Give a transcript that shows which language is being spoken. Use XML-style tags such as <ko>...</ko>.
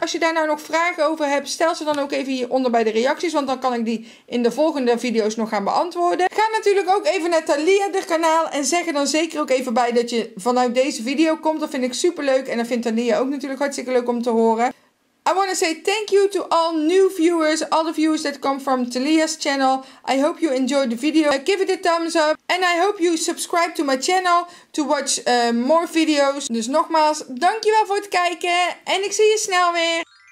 <nl>Als je daar nou nog vragen over hebt, stel ze dan ook even hieronder bij de reacties. Want dan kan ik die in de volgende video's nog gaan beantwoorden. Ga natuurlijk ook even naar Thalia, de kanaal. En zeg er dan zeker ook even bij dat je vanuit deze video komt. Dat vind ik super leuk en dat vindt Thalia ook natuurlijk hartstikke leuk om te horen.</nl> <en>I want to say thank you to all new viewers, all the viewers that come from Thalia's channel. I hope you enjoyed the video. Give it a thumbs up. And I hope you subscribe to my channel to watch more videos.</en> <nl>Dus nogmaals, dankjewel voor het kijken. En ik zie je snel weer.</nl>